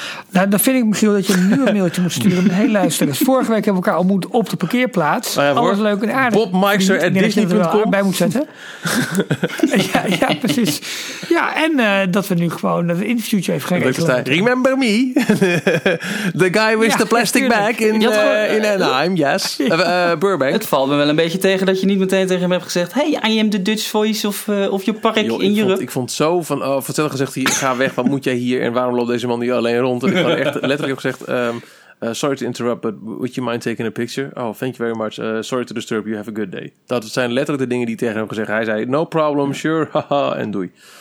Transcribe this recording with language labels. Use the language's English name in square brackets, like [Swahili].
[Dutch] Nou, dan vind ik, Michiel, dat je nu een mailtje moet sturen. Heel luisteren. Vorige week hebben we elkaar ontmoet op de parkeerplaats. Oh ja, alles leuk en aardig. Bob Meister en Disney.com. Bij moet zetten. ja, precies. Ja, en dat we nu gewoon het interviewtje even gaan regelen. [English] Remember me? The guy with the plastic bag in Anaheim. Yes. Burbank. [Dutch] Het valt me wel een beetje tegen dat je niet meteen tegen hem hebt gezegd. [English] Hey, I am the Dutch voice of je park in Europe. [Dutch] Ik vond zo van, vertel gezegd, ga weg. Wat moet jij hier en waarom loopt deze man niet alleen rond? Ik had echt letterlijk ook gezegd, [English] sorry to interrupt, but would you mind taking a picture? Oh, thank you very much. Sorry to disturb you. Have a good day. [Dutch] Dat zijn letterlijk de dingen die tegen hem gezegd. Hij zei, [English] no problem, sure, haha, [Dutch] en doei.